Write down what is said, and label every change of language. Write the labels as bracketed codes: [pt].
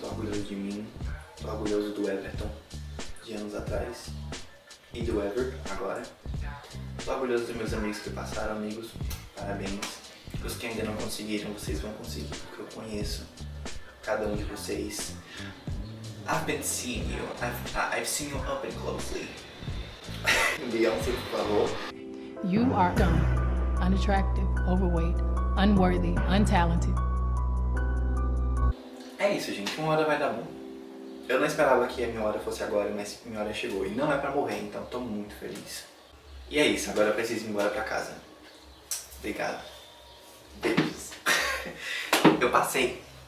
[pt] orgulho de mim, tô orgulhoso do Everton, de anos atrás, e do Ever, agora. Tô orgulhoso dos meus amigos que passaram, amigos, parabéns. Os que ainda não conseguiram, vocês vão conseguir, porque eu conheço cada um de vocês. [en] I've seen you up and closely. [pt] Beyoncé, por favor. [en] You are dumb, unattractive, overweight, unworthy, untalented. [pt] É isso, gente. Uma hora vai dar bom. Eu não esperava que a minha hora fosse agora, mas minha hora chegou. E não é pra morrer, então tô muito feliz. E é isso. Agora eu preciso ir embora pra casa. Obrigado. Beijos. Eu passei.